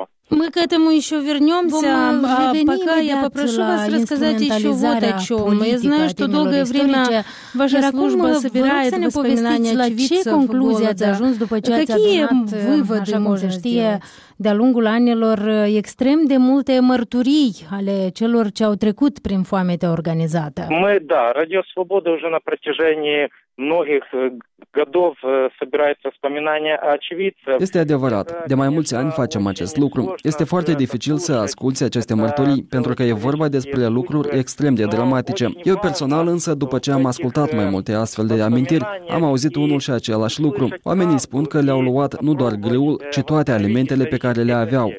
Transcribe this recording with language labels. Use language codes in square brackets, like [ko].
[ru] Мы к этому еще вернемся, пока я попрошу вас рассказать еще вот о чем. Я знаю, что долгое время ваша служба собирает воспоминания очевидцев года. Какие выводы можете сделать? [ro] De-a lungul anilor, extrem de multe mărturii ale celor ce au trecut prin foamete organizată. Noi, da, [ru] Radio Svoboda, уже на протяжении многих годов собирается вспоминания очевидцев. [ro] Este adevărat. De mai mulți ani facem acest lucru. Este foarte dificil să asculți aceste mărturii, pentru că e vorba despre lucruri extrem de dramatice. Eu personal, însă, după ce am ascultat mai multe astfel de amintiri, am auzit unul și același lucru. Oamenii spun că le-au luat nu doar grâul, ci toate alimentele pe care le aveau.